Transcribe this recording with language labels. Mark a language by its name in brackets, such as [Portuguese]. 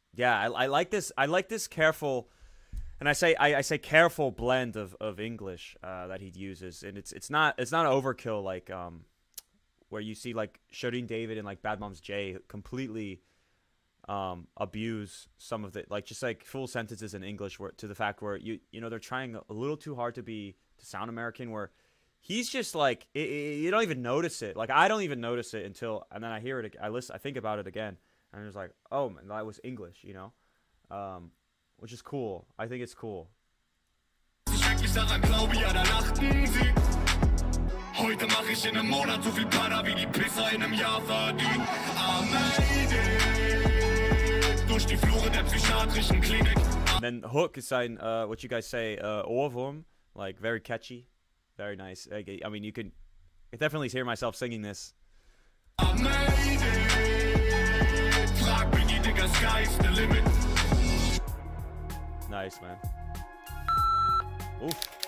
[English] I like this careful, and I say careful blend of English that he uses, and it's not overkill, like where you see like Shireen David and like Bad Moms J completely abuse some of the, like, just like full sentences in English, where to the fact where you know they're trying a little too hard to sound American, where he's just like, you don't even notice it. Like, I don't even notice it until, and then I hear it, I think about it again, and I'm just like, oh, man, that was English, you know? Which is cool. I think it's cool. [German] ich daran glaube, ja, da lachten sie. Heute mach ich in einem Monat so viel Pada, wie die Pisser in einem Jahr verdient. Amade. Durch die Flure der psychiatrischen Klinik. [English] And then Hook is saying, what you guys say, Ohrwurm, like very catchy, very nice. I mean, you can I definitely hear myself singing this. Nice, man. Oof.